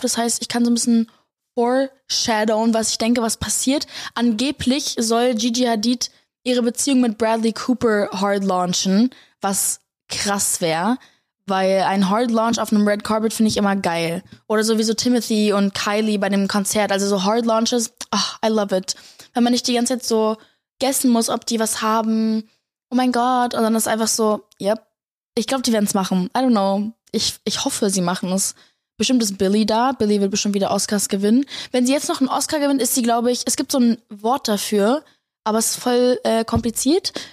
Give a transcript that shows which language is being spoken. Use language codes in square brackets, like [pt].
[de] Das heißt, ich kann so ein bisschen foreshadowen, was ich denke, was passiert. Angeblich soll Gigi Hadid ihre Beziehung mit Bradley Cooper hard launchen, was krass wäre, weil ein Hard Launch auf einem Red Carpet finde ich immer geil. Oder sowieso Timothy und Kylie bei dem Konzert. Also so Hard Launches, [en] oh, I love it. [de] Wenn man nicht die ganze Zeit so guessen muss, ob die was haben, oh mein Gott, und dann ist einfach so, yep, ich glaube, die werden es machen. [en] I don't know. [de] Ich hoffe, sie machen es. Bestimmt ist Billie da. Billie wird bestimmt wieder Oscars gewinnen. Wenn sie jetzt noch einen Oscar gewinnt, ist sie, glaube ich, es gibt so ein Wort dafür, aber es ist voll kompliziert.